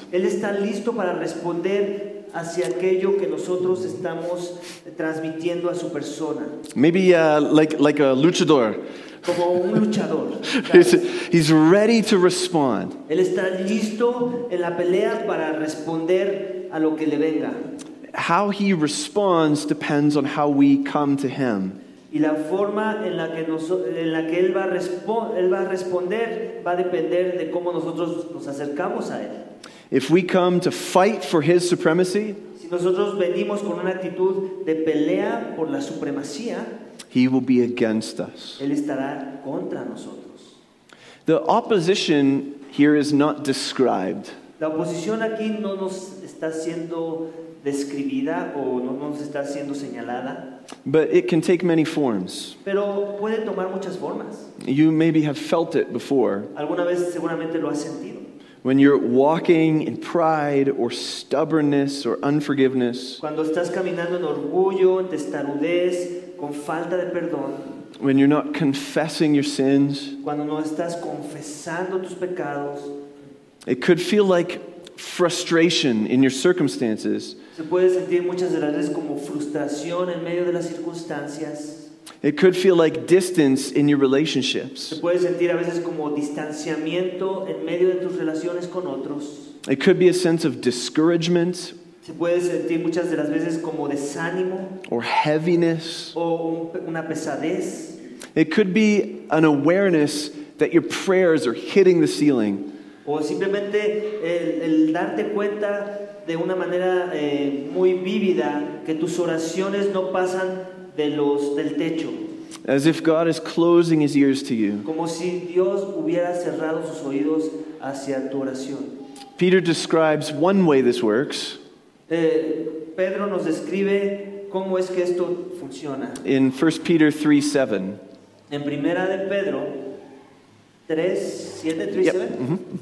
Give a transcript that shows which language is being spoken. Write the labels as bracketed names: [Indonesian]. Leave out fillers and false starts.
[Spanish] Él está listo para responder hacia aquello que nosotros estamos transmitiendo a su persona. [English] Maybe like a luchador. [Spanish] como un luchador. [English] He's ready to respond. [Spanish] Él está listo en la pelea para responder a lo que le venga. [English] How he responds depends on how we come to him. [Spanish] Y la forma en la que él va a responder va a depender de cómo nosotros nos acercamos a él. [English] If we come to fight for his supremacy, [Spanish] si nosotros venimos con una actitud de pelea por la supremacía, [English] he will be against us. [Spanish] Él estará contra nosotros. [English] The opposition here is not described. [Spanish] La oposición aquí no nos está siendo describida o no nos está siendo señalada. [English] But it can take many forms. [Spanish] Pero puede tomar muchas formas. [English] You maybe have felt it before. [Spanish] Alguna vez seguramente lo has sentido. [English] When you're walking in pride or stubbornness or unforgiveness. [Spanish] Cuando estás caminando en orgullo, en testarudez, con falta de perdón. [English] When you're not confessing your sins. [Spanish] Cuando no estás confesando tus pecados. [English] It could feel like frustration in your circumstances. [Spanish] Se puede sentir muchas de las veces como frustración en medio de las circunstancias. [English] It could feel like distance in your relationships. [Spanish] Se puede sentir a veces como distanciamiento en medio de tus relaciones con otros. [English] It could be a sense of discouragement. [Spanish] Se puede sentir muchas de las veces como desánimo. [English] Or heaviness. [Spanish] O una pesadez. [English] It could be an awareness that your prayers are hitting the ceiling. [Spanish] O simplemente el darte cuenta de una manera muy vívida que tus oraciones no pasan del techo. [English] As if God is closing his ears to you. [Spanish] Como si Dios hubiera cerrado sus oídos hacia tu oración. [English] Peter describes one way this works. [Spanish] Pedro nos describe cómo es que esto funciona. [English] In 1 Peter 3:7. [Spanish] En Primera de Pedro 3, 7, 3, 7. Yep. Mm-hmm.